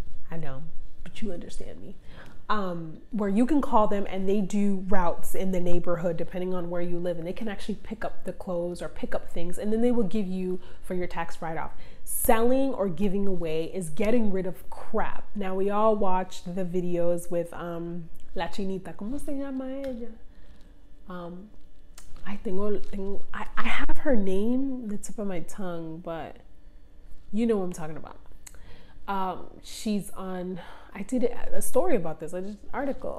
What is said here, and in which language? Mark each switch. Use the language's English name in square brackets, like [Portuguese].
[English] I know, but you understand me. Where you can call them and they do routes in the neighborhood depending on where you live, and they can actually pick up the clothes or pick up things and then they will give you for your tax write-off. Selling or giving away is getting rid of crap. Now we all watch the videos with La Chinita, [Spanish] ¿cómo se llama ella? [English] I have her name on the tip of my tongue, but you know what I'm talking about. She's on, I did a story about this, I did an article.